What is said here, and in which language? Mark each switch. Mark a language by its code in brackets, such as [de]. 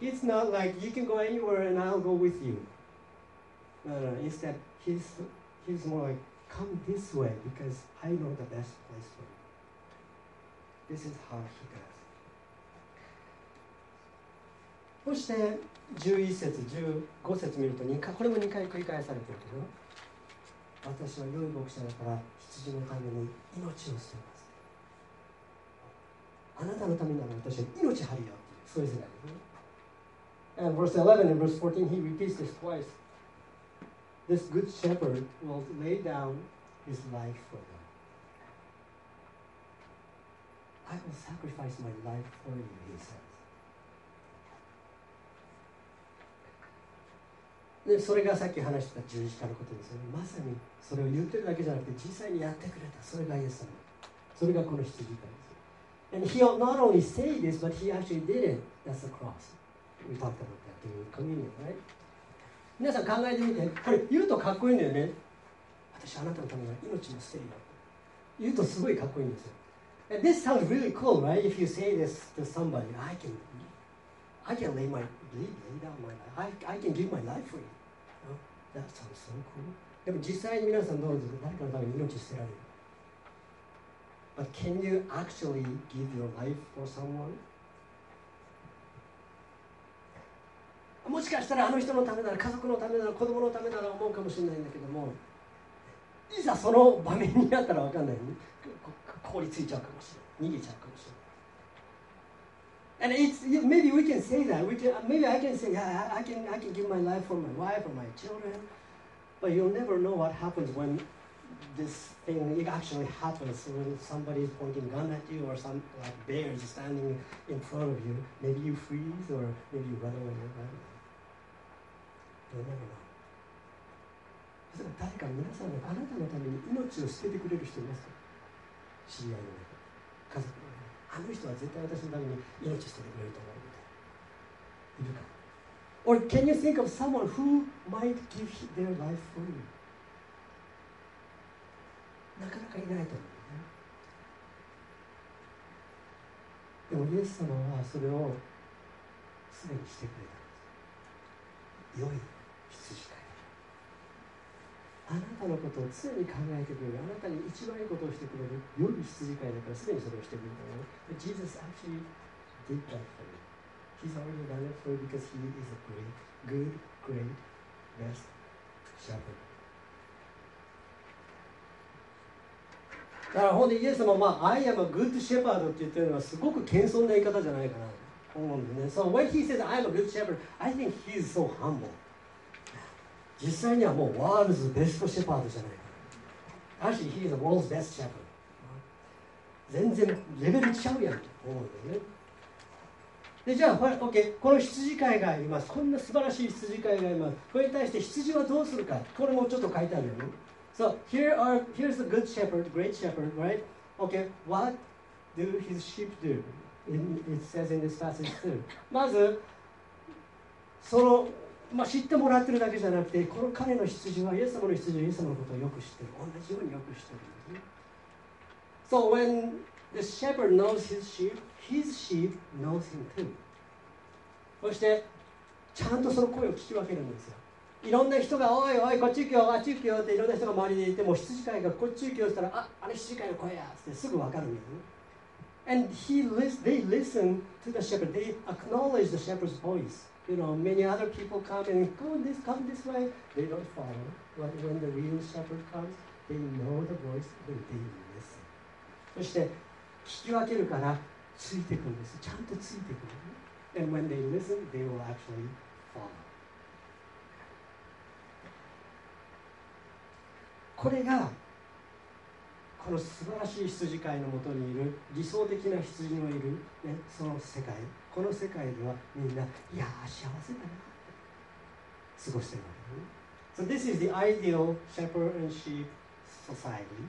[en] It's not like you can go anywhere and I'll go with you. No. Instead, he's more like, come this way because I know the best place for you. This is how he does. [ja] そして11節、15節見ると2回、これも2回繰り返されているけど、私は良い牧者だから羊のために命を捨てます。あなたのためなら私は命張るよ。そうですね。 [en] And verse 11 and verse 14, he repeats this twice. This good shepherd will lay down his life for them. I will sacrifice my life for you, he says. [ja] で、それがさっき話した十字架のことですよね。まさにそれを言ってるだけじゃなくて、実際にやってくれた。それがイエス様。それがこの羊飼いです。 [en] And he not only say this, but he actually did it. That's the cross. We talked about that during communion, right? [ja] 皆さん考えてみて、これ言うとかっこいいんだよね。私はあなたのために命も捨てるよ。言うとすごいかっこいいんですよ。 [en] And this sounds really cool, right? If you say this to somebody, I can lay down my life. I can give my life for you. That sounds so cool. [ja] でも実際に皆さんどうですか？誰かのために命捨てられる？ [en] But can you actually give your life for someone? [ja] もしかしたらあの人のためなら、家族のためなら、子供のためなら思うかもしれないんだけども、いざその場面になったら分かんないね。凍りついちゃうかもしれない。逃げちゃうかもしれない。 [en] And maybe we can say that. Maybe I can say, yeah, I can give my life for my wife or my children. But you'll never know what happens whenThis thing it actually happens when somebody is pointing gun at you or some like bear is standing in front of you. Maybe you freeze or maybe you run away. You never know. [ja] そして誰か皆さんがあなたのために命を捨ててくれる人いますか？知り合いの家族の、あの人は絶対私のために命を捨ててくれると思うみたいな。いるか？ [en] Or can you think of someone who might give their life for you? [ja] なかなかいないと思うね。でもイエス様はそれをすでにしてくれたんです。良い羊飼い。あなたのことを常に考えてくれる、あなたに一番良いことをしてくれる良い羊飼いだから、すでにそれをしてくれたの。 [en] Jesus actually did that for you. He's already done it for you because he is a great, good, great, best shepherd. [ja] だから本当にイエス様は、 [en] I am a good shepherd [ja] って言ってるのはすごく謙遜な言い方じゃないかなと思うんでね。 [en] So when he says I'm a good shepherd, I think he's so humble. [ja] 実際にはもうワールズベストシェパードじゃないかな。 [en] Actually, he's the world's best shepherd. [ja] 全然レベルちゃうやんと思うんでね。で、じゃあ、OK、この羊飼いがいます。こんな素晴らしい羊飼いがいます。これに対して羊はどうするか。これもちょっと書いてあるよね。 [en] So here's the good shepherd, great shepherd, right? Okay, what do his sheep do? It says in this passage too. [ja] まず、その、まあ、知ってもらってるだけじゃなくて、この彼の羊はイエス様の羊、イエス様のことをよく知ってる。同じようによく知ってる。 [en] So when the shepherd knows his sheep knows him too. [ja] そして、ちゃんとその声を聞き分けるんですよ。いろんな人がおいおいこっち行くよあっち行くよっていろんな人が周りにいても、羊飼いがこっち行くよって言ったら、ああれ羊飼いの声やってすぐ分かるんです。 [en] And they listen to the shepherd. They acknowledge the shepherd's voice. You know, many other people come and come this way. They don't follow. But when the real shepherd comes, they know the voice and they listen. [ja] そして聞き分けるからついてくるんです。ちゃんとついてくる。 [en] And when they listen, they will actually follow. [ja] これがこの素晴らしい羊飼いのもとにいる理想的な羊のいる、ね、その世界、この世界ではみんな、いやー幸せだなーって過ごしてるわけね。 [en] So this is the ideal shepherd and sheep society.